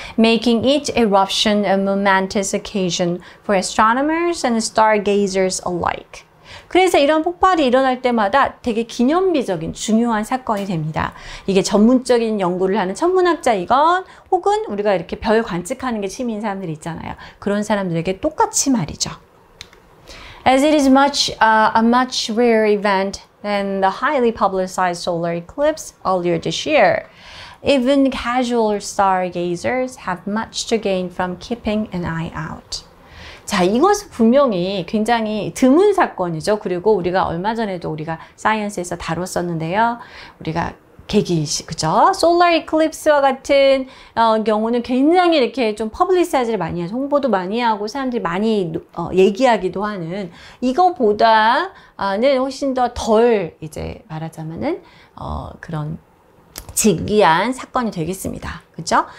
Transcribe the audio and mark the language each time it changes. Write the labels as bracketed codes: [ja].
[en] Making each eruption a momentous occasion for astronomers and stargazers alike. [ko] 그래서 이런 폭발이 일어날 때마다 되게 기념비적인 중요한 사건이 됩니다. 이게 전문적인 연구를 하는 천문학자이건 혹은 우리가 이렇게 별 관측하는 게 취미인 사람들이 있잖아요. 그런 사람들에게 똑같이 말이죠. [en] As it is a much rarer event than the highly publicized solar eclipse earlier this year, even casual stargazers have much to gain from keeping an eye out. [ko] 자, 이것은 분명히 굉장히 드문 사건이죠. 그리고 우리가 얼마 전에도 우리가 사이언스에서 다뤘었는데요. 우리가 계기이시, 그죠? Solar Eclipse와 같은 경우는 굉장히 이렇게 좀 퍼블리시티를 많이 해서 홍보도 많이 하고 사람들이 많이 얘기하기도 하는 이거보다는 훨씬 더덜 이제 말하자면은 그런 특이한 사건이 되겠습니다. 그렇죠?